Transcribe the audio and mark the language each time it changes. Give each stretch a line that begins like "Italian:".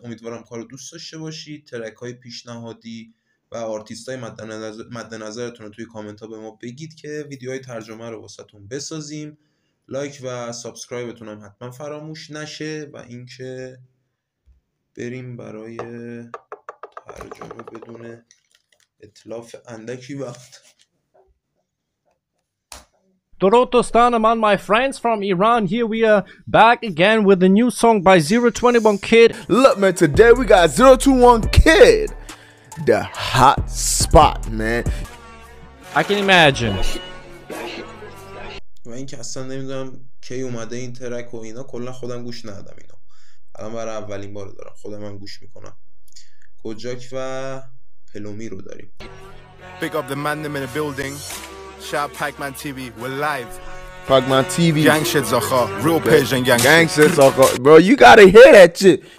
Persian: امیدوارم کارو دوست داشته باشید. ترک های پیشنهادی و آرتیست های مدنظرتون رو توی کامنت ها به ما بگید که ویدیوهای ترجمه رو واسه تون بسازیم. لایک و سابسکرایبتون هم حتما فراموش نشه. و اینکه بریم برای ترجمه بدون اتلاف اندکی وقت. درود دوستان من،
English: my friends from Iran. Here we are back again with a new song by 021 Kid. Look man, today we got 021 Kid, the hot spot man. I can imagine.
Persian: و اینکه اصلا نمیدونم کی اومده این ترک و اینا، کلا خودم گوش ندادم اینا، الان برای اولین بار دارم خودم هم گوش میکنم. کجاک و پلومی رو داریم.
English: Pick up the man in the building. Shout Pacman TV, we're live. Pacman TV. Gang shit Zaha, real Beijing gang. Gang shit Zaha. Bro, you gotta hear that shit.